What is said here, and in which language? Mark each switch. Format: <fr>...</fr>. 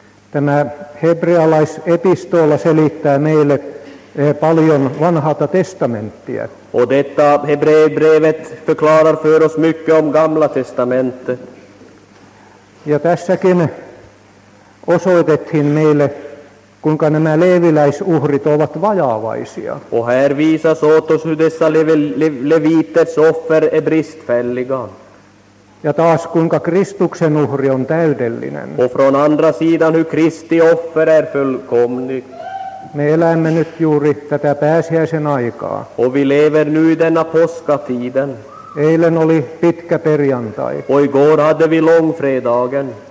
<fi>Tämä hebrealaisepistola selittää meille paljon vanhata testamenttia.</fi> <sv>Och detta hebreerbrevet förklarar för oss mycket om gamla testamentet.</sv> <fi>Ja tässäkin osoitettiin meille, kuinka nämä leviläisuhrit ovat vajaavaisia.</fi> <sv>Och här visas åt oss hur dessa levites offer är bristfälliga.</sv> <fi>Ja taas kuinka Kristuksen uhri on täydellinen.</fi> <sv>Och från andra sidan hur Kristi offer är fullkomlig.</sv> <fi>Me elämme nyt juuri tätä pääsiäisen aikaa.</fi> <sv>Och vi lever nu denna påskatiden.</sv> <fi>Eilen oli pitkä perjantai.</fi> <sv>Och igår hade vi långfredagen.</sv>